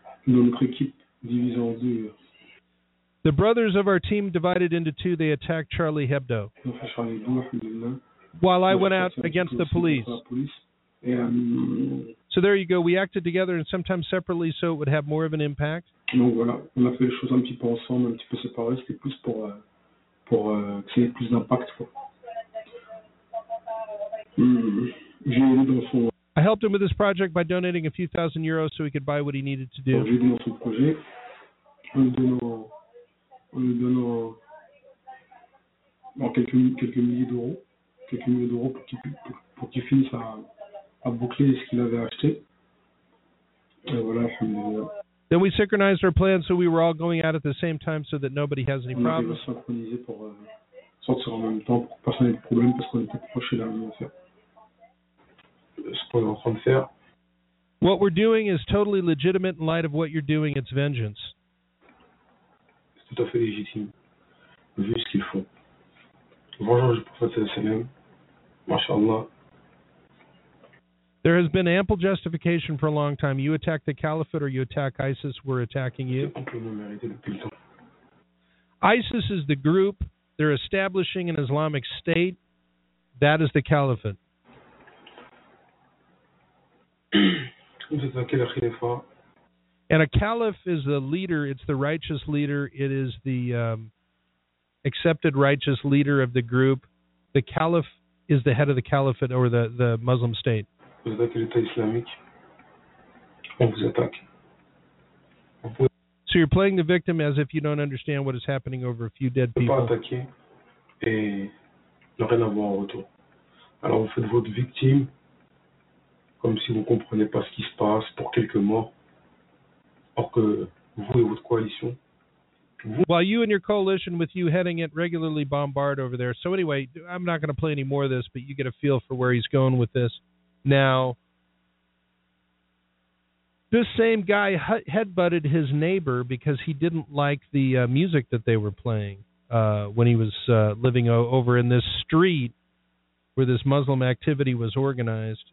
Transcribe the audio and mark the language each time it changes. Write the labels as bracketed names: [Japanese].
[French] Notre équipe divisée en deux. [English] The brothers of our team divided into two, they attacked Charlie Hebdo. While I went out against the police. So there you go. We acted together and sometimes separately so it would have more of an impact. [French] Donc voilà, on a fait les choses un petit peu ensemble, un petit peu séparés. C'était plus pour que ça ait plus d'impact. Quoi. J'ai aidé dans son... [English] I helped him with his project by donating a few thousand euros so he could buy what he needed to do. [French] Quelques milliers d'euros pour qu'il finisse à boucler ce qu'il avait acheté. [English] Then we synchronized our plans so we were all going out at the same time so that nobody has any problems. What we're doing is totally legitimate in light of what you're doing. It's vengeance. [French] C'est tout à fait légitime, vu ce qu'ils font. Vengeance du prophète sallam, mashallah. [English] There has been ample justification for a long time. You attack the caliphate or you attack ISIS, we're attacking you. ISIS is the group. They're establishing an Islamic state. That is the caliphate. And a caliph is the leader. It's the righteous leader. It is the accepted righteous leader of the group. The caliph is the head of the caliphate or the Muslim state. [French] Vous attaquez l'État islamique. On vous attaque. [English] So you're playing the victim as if you don't understand what is happening over a few dead people. [French] Ne pas attaquer et ne rien avoir en retour. Alors vous faites votre victime comme si vous ne comprenez pas ce qui se passe pour quelques morts. Or que vous et votre coalition. [English] While you and your coalition, with you heading it, regularly bombard over there. So anyway, I'm not going to play any more of this, but you get a feel for where he's going with this. Now, this same guy headbutted his neighbor because he didn't like the music that they were playing when he was living over in this street where this Muslim activity was organized.